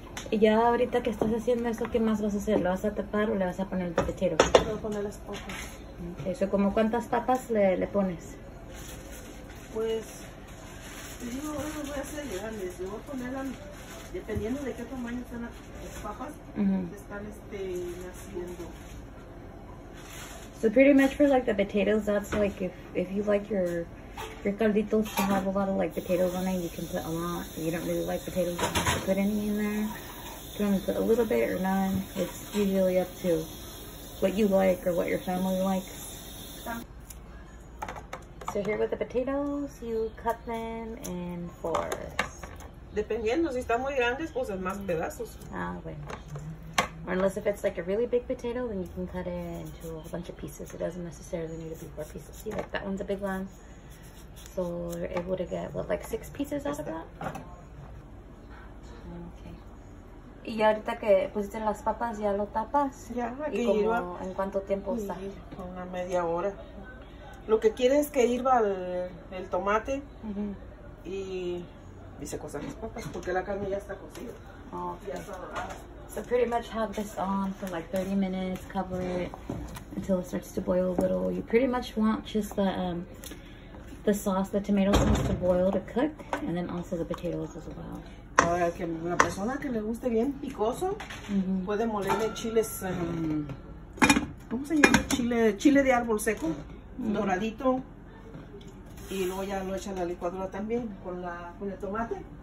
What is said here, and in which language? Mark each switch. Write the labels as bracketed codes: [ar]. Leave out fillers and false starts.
[es] Y ya ahorita que estás haciendo eso, ¿qué más vas a hacer? ¿Lo vas a tapar o le vas a poner el pechero? Le voy a poner las papas. Okay. Eso, ¿cómo cuántas papas le pones? Pues, yo no voy a hacer grandes. Le voy a poner, dependiendo de qué tamaño están las papas, uh-huh. Están naciendo. [en] So pretty much for like the potatoes, that's like if you like your calditos to have a lot of like potatoes on it, you can put a lot. If you don't really like potatoes, you don't have to put any in there. If you want to put a little bit or none, it's usually up to what you like or what your family likes. So here with the potatoes, you cut them in fours. [es] Dependiendo, si están muy grandes, pues es más pedazos. Ah, bueno. [en] Or unless if it's like a really big potato, then you can cut it into a bunch of pieces. It doesn't necessarily need to be four pieces. See, like that one's a big one. So you're able to get, what, like six pieces out of that? [es] Okay. Y ahorita que pusiste las papas, ¿ya lo tapas? Ya, aquí hirva. ¿En cuánto tiempo está? Una media hora. Lo que quiere es que hirva el tomate, mm-hmm. y se cosan las papas porque la carne ya está cocida. Okay. Ya está dorada. [en] So pretty much have this on for like 30 minutes, cover it until it starts to boil a little. You pretty much want just the sauce, the tomato sauce to boil to cook, and then also the potatoes as well. [es] Ahora que la persona que le guste bien picoso, mm-hmm. puede molerle chiles, ¿cómo se llama? Chile de árbol seco, mm-hmm. doradito, y luego ya lo echan a la licuadora también con la con el tomate.